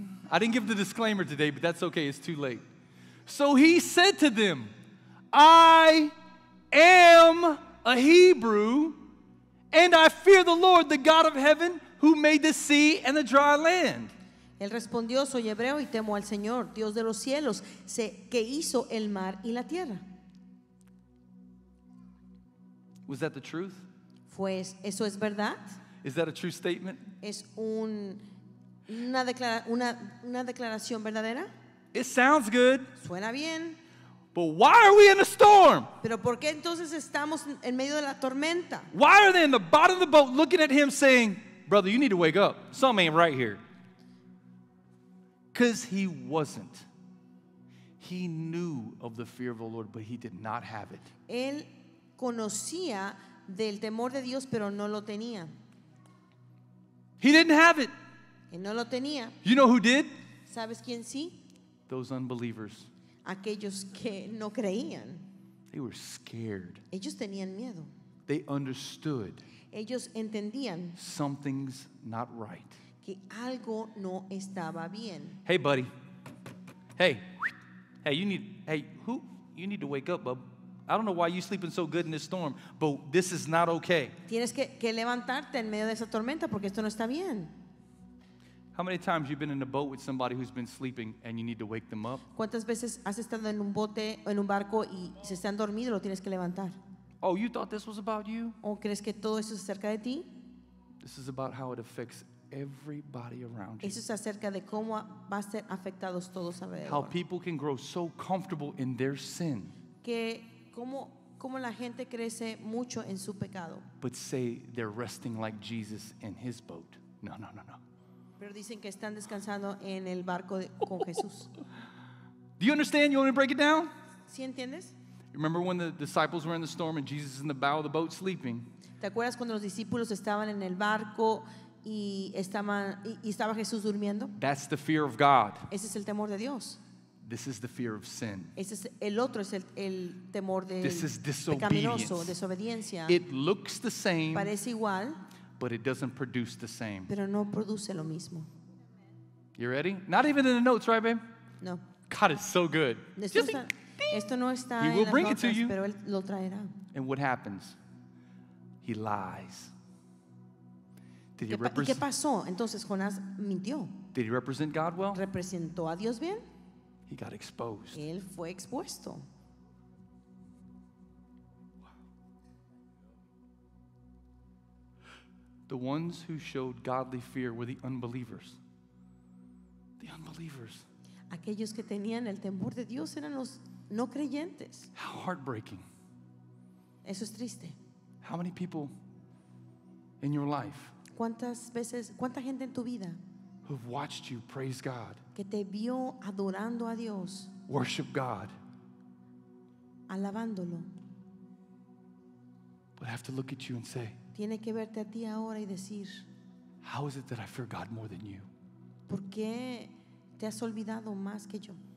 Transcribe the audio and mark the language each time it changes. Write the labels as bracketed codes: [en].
[en] I didn't give the disclaimer today, but that's okay. It's too late. So he said to them, I am a Hebrew, and I fear the Lord, the God of heaven, who made the sea and the dry land. [es] Él respondió, soy hebreo y temo al Señor, Dios de los cielos, que hizo el mar y la tierra. [en] Was that the truth? [es] Pues, ¿eso es verdad? [en] Is that a true statement? [es] ¿Es una declaración verdadera? [en] It sounds good. [es] Suena bien. [en] But why are we in a storm? [es] ¿Pero por qué entonces estamos en medio de la tormenta? [en] Why are they in the bottom of the boat looking at him saying, brother, you need to wake up. Something ain't right here. Because he wasn't. He knew of the fear of the Lord, but he did not have it. [es] Él conocía del temor de Dios, pero no lo tenía. [en] He didn't have it. [es] Y no lo tenía. [en] You know who did? [es] ¿Sabes quién sí? [en] Those unbelievers. [es] Aquellos que no creían. [en] They were scared. [es] Ellos tenían miedo. [en] They understood. [es] Ellos entendían. [en] Something's not right. [es] Que algo no estaba bien. [en] Hey, buddy. Hey. Hey, you need... Hey, who? You need to wake up, bub. I don't know why you're sleeping so good in this storm, but this is not okay. [es] Tienes que levantarte en medio de esa tormenta porque esto no está bien. [en] How many times you've been in a boat with somebody who's been sleeping and you need to wake them up? [es] ¿Cuántas veces has estado en un bote o en un barco y se están dormidos y lo tienes que levantar? [en] Oh, you thought this was about you? [es] ¿O crees que todo esto es acerca de ti? [en] This is about how it affects everybody around you. [es] Eso es acerca de cómo va a ser afectados todos alrededor. [en] How people can grow so comfortable in their sin. [es] Que cómo la gente crece mucho en su pecado. [en] But say they're resting like Jesus in his boat. No, no, no, no. [es] Pero dicen que están descansando en el barco con Jesús. [en] Do you understand? You want me to break it down? [es] ¿Sí entiendes? [en] Remember when the disciples were in the storm and Jesus in the bow of the boat sleeping? [es] ¿Te acuerdas cuando los discípulos estaban en el barco y estaba Jesús durmiendo? [en] That's the fear of God. [es] Ese es el temor de Dios. [en] This is the fear of sin. [es] Ese es el otro, es el temor de pecaminoso, desobediencia. [en] It looks the same. [es] Parece igual. [en] but it doesn't produce the same. [es] Pero no produce lo mismo. [en] You ready? Not even in the notes, right, babe? No. God is so good. He will bring it to you. [es] Pero él lo traerá. [en] And what happens? He lies. Did he represent? [es] ¿Y qué pasó? Entonces Jonás mintió. [en] Did he represent God well? [es] ¿Representó a Dios bien? [en] He got exposed. [es] Él fue expuesto. [en] The ones who showed godly fear were the unbelievers. The unbelievers. [es] Aquellos que tenían el temor de Dios eran los no creyentes. [en] How heartbreaking. [es] Eso es triste. [en] How many people in your life? [es] ¿Cuántas veces, cuánta gente en tu vida? [en] Who've watched you praise God? [es] Que te vio adorando a Dios. [en] Worship God. [es] Alabándolo. [en] But I have to look at you and say. [es] Tiene que verte a ti ahora y decir. [en] How is it that I fear God more than you? [es] ¿Por qué te has olvidado más que yo?